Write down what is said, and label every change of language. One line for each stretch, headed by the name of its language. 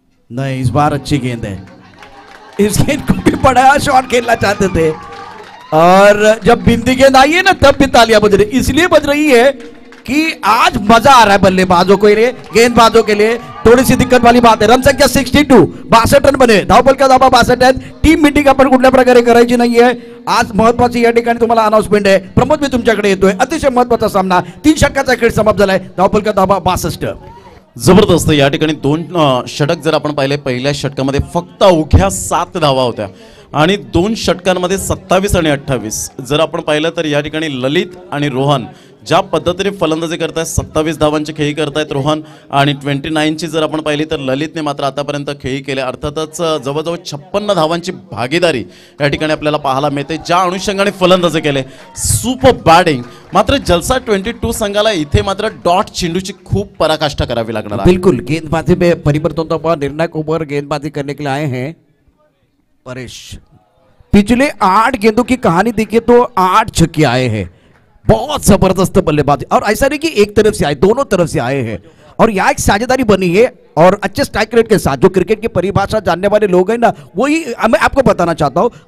Hindi: नहीं, इस बार अच्छी गेंद है, इस गेंद को भी बड़ा शॉट खेलना चाहते थे, और जब बिंदी गेंद आई है ना तब भी तालियां बज रही, इसलिए बज रही है कि आज मजा आ रहा है बल्लेबाजों के लिए, गेंदबाजों के लिए। थोड़ी सी दिक्कत वाली बात है, रन संख्या 62, 62 रन बने, धाव बल का दावा 62 है।
Marathi: टीम मीटिंग अपन कुठल्या प्रकारे करायची नाही आहे, आज महत्त्वाची या ठिकाणी तुम्हाला अनाउन्समेंट आहे। प्रमोद, मी तुमच्याकडे येतोय, अतिशय महत्त्वाचा सामना, 3 षटकाचा खेळ समाप्त झालाय, धाव बल का दावा 62। जबरदस्त, या ठिकाणी 2 षटक जर आपण पाहिले, पहिल्या षटकामध्ये फक्त अवघ्या 7 धावा होत्या आणि 2 षटकांमध्ये 27 आणि 28। जर आपण पाहिलं तर या ठिकाणी ललित आणि रोहन ज्या पद्धतीने फलंदाजी करतायत, 27 धावांची खेळी करतायत रोहन, आणि 29ची जर आपण पाहिली तर ललितने मात्र आतापर्यंत खेळी केल्या, अर्थातच जवळजवळ 56 धावांची भागीदारी या ठिकाणी आपल्याला पाहायला मिळते, ज्या अनुषंगाने फलंदाजी केले, सुपर बॅटिंग। मात्र जलसा 22 संघाला इथे मात्र डॉट चेंडूची खूप पराकाष्ठा करावी लागणार।
Hindi: बिलकुल, गेंदबाजी में परिवर्तन तो निर्णायक ओव्हर गेंदबाजी करने के लिए आए हैं परेश। पिछले 8 गेंदों की कहानी देखिए तो 8 छक्के आए हैं, बहुत जबरदस्त बल्लेबाजी, और ऐसा नहीं कि एक तरफ से आए, दोनों तरफ से आए हैं, और यहाँ एक साझेदारी बनी है और अच्छे स्ट्राइक रेट के साथ, जो क्रिकेट की परिभाषा जानने वाले लोग हैं ना, वही मैं आपको बताना चाहता हूँ।